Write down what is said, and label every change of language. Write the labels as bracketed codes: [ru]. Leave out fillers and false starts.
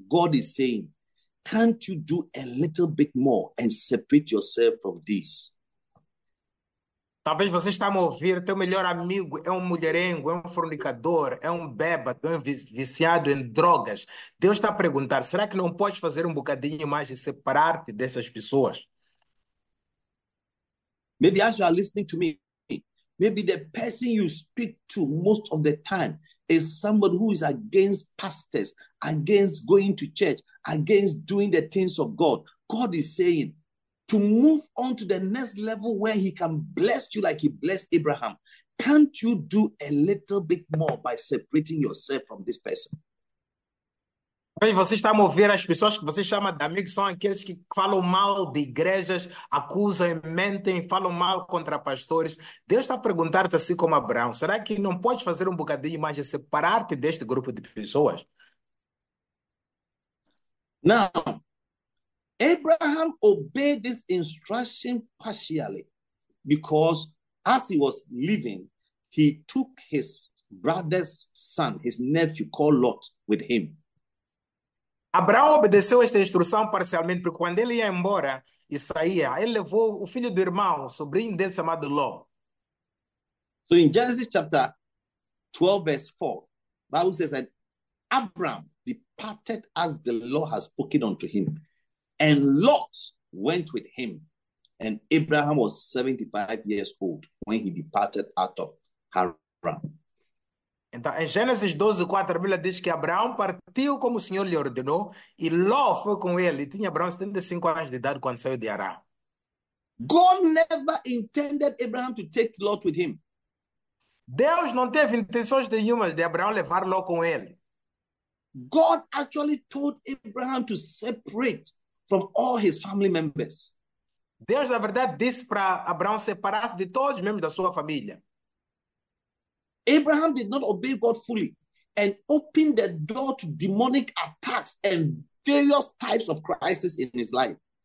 [en] God is saying, can't you do a little bit more and separate yourself from this? [pt] Talvez você está a me ouvir, teu melhor amigo é um mulherengo, é um fornicador, é um bêbado, é um viciado em drogas. Deus está a perguntar, será que não podes fazer um bocadinho mais e separar-te dessas pessoas? [en] Maybe as you are listening to me, maybe the person you speak to most of the time is somebody who is against pastors, against going to church, against doing the things of God. God is saying to move on to the next level where he can bless you like he blessed Abraham. Can't you do a little bit more by separating yourself from this person? [pt] Você está a mover as pessoas que você chama de amigos são aqueles que falam mal de igrejas, acusam, mentem, falam mal contra pastores. Deus está a perguntar-te assim como Abraão, será que não podes fazer um bocadinho mais e separar-te deste grupo de pessoas? [en] Now, Abraham obeyed this instruction partially because as he was leaving, he took his brother's son, his nephew called Lot, with him. [pt] Abraão obedeceu esta instrução parcialmente, porque quando ele ia embora e saía, ele levou o filho do irmão, o sobrinho dele, chamado Ló. [en] So in Genesis chapter 12, verse 4, Bible says that Abraham departed as the Lord has spoken unto him, and Lot went with him, and Abraham was 75 years old when he departed out of Haran. [pt] Então, em Gênesis 12, 4, a Bíblia diz que Abraão partiu como o Senhor lhe ordenou e Ló foi com ele. E tinha Abraão 75 anos de idade quando saiu de Arã. [en] God never intended Abraham to take Lot with him. [pt] Deus não teve intenções nenhumas de Abraão levar Ló com ele. [en] God actually told Abraham to separate from all his family members. [pt] Deus, na verdade, disse para Abraão separar-se de todos os membros da sua família. [en] Abraham did not obey God fully and opened the door to demonic attacks and various types of crisis in his life.